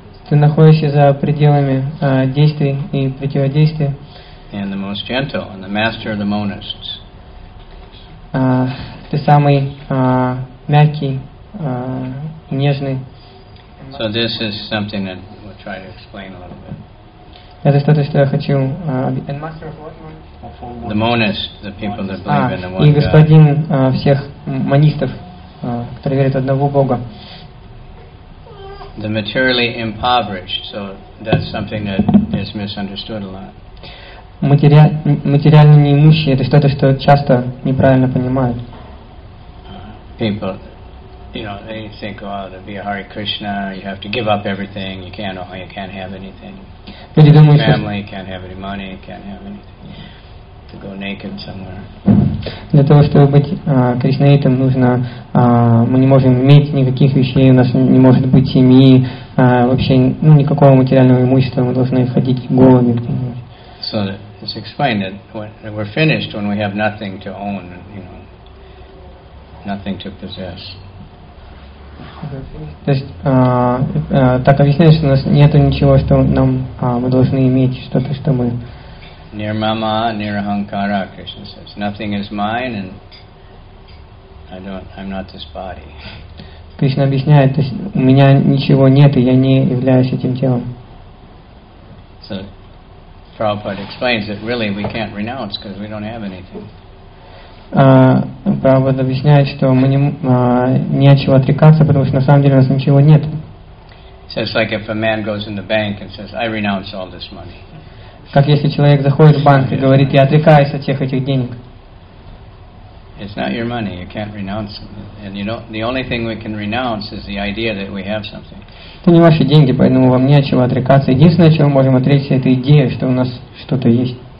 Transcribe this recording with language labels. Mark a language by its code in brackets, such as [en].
[ru] Ты находишься за пределами действий и противодействия. [en] And the most gentle, and the master of the monists. [ru] Ты самый мягкий и нежный. [en] So this is something that we'll try to explain a little bit. [ru] Это что-то, что я хочу. [en] And master of what one? The monist, the people that believe in the one God. [ru] И господин всех монистов, которые верят в одного Бога. [en] The materially impoverished. So that's something that is misunderstood a lot. [ru] Материально неимущие — это что-то, что часто неправильно понимают. [en] People, you know, they think, well, to be a Hare Krishna, you have to give up everything. You can't have anything. [ru] Люди думают, [en] family, can't have any money, can't have anything. To go naked somewhere. [ru] Для того, чтобы быть кришнаитом, нужно, мы не можем иметь никаких вещей, у нас не может быть семьи, вообще никакого материального имущества, мы должны ходить голыми где-нибудь. [en] So it's explained that we're finished when we have nothing to own, you know, nothing to possess. [ru] То есть так объясняется, что у нас нет ничего, что нам мы должны иметь, что-то, что мы. [en] Nirmama, nirahankara, Krishna says. Nothing is mine, and I'm not this body. [ru] Krishna объясняет, то есть у меня ничего нет, и я не являюсь этим телом. [en] So, Prabhupada explains that really we can't renounce because we don't have anything. [ru] Prabhupada объясняет, что мы не от чего отрекаться, потому что на самом деле у нас ничего нет. [en] So it's like if a man goes in the bank and says, I renounce all this money. [ru] Как если человек заходит в банк и говорит, я отрекаюсь от всех этих денег. [en] It's not your money, you can't renounce them. And you know, the only thing we can renounce is the idea that we have something. [ru] Это не ваши деньги, поэтому вам не от чего отрекаться. Единственное, от чего мы можем отречься, это идея, что у нас что-то есть.